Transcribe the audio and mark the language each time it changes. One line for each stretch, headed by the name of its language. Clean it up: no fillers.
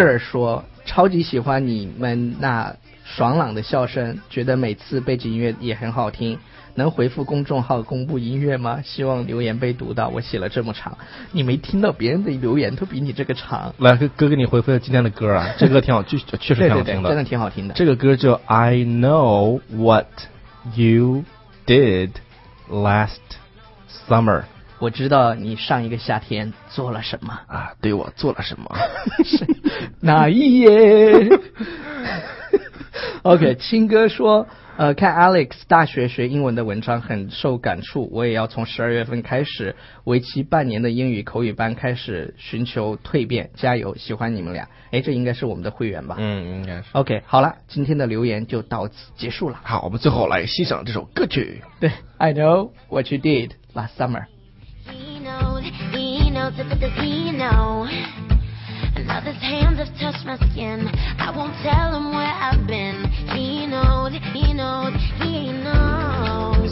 Chinese: Bigger 说，超级喜欢你们那爽朗的笑声，觉得每次背景音乐也很好听，能回复公众号公布音乐吗？希望留言被读到。我写了这么长，你没听到别人的留言都比你这个长。来，哥给你回复了今天的歌啊，这歌挺好，确实挺好听的。对对对，真的挺好听的。这个歌叫 I Know What You Did Last Summer。我知道你上一个夏天做了什么啊？对我做了什么？是哪一夜？ OK， 青哥说，看 Alex 大学学英文的文章很受感触，我也要从十二月份开始为期半年的英语口语班开始寻求蜕变，加油，喜欢你们俩。哎，这应该是我们的会员吧？嗯，应该是。 OK， 好了，今天的留言就到此结束了。好，我们最后来欣赏这首歌曲。
English: 对 ，I know what you did last summer。 He knows, Another's hands have touched my skin. I won't tell him where I've been. He knows, he knows, he knows.